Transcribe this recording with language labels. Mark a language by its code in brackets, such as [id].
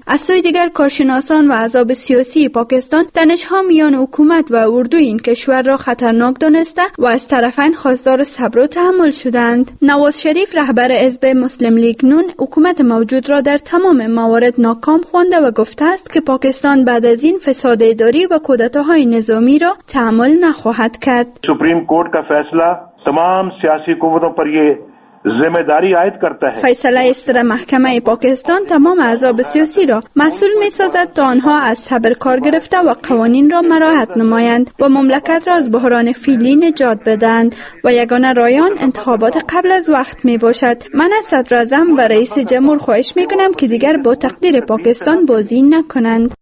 [fa] از سوی دیگر، کارشناسان و احزاب سیاسی پاکستان تنش‌ها میان حکومت و اردو این کشور را خطرناک دانسته و از طرفین خواستار صبر و تحمل شدند. نواز شریف رهبر حزب مسلم لیگ نون حکومت موجود را در تمام موارد ناکام خوانده و گفته است که پاکستان بعد از این فساد اداری و کودتاهای نظامی را تحمل نخواهد کرد. [ur] سپریم کورت کا فیصلہ تمام سیاسی قوتوں پر یہ ذمہ داری عائد کرتا ہے. فیصلہ اس طرح [fa] محکمہ پاکستان تمام اعضاب سیاسی را مسئول می سازد تا آنها از صبر کار گرفته و قوانین را مراعات نمایند و مملکت را از بحران فعلی نجات بدهند و یگانه راه آن انتخابات قبل از وقت می باشد. من از صدر اعظم و رئیس جمهور خواهش می کنم که دیگر با تقدیر پاکستان بازی نکنند.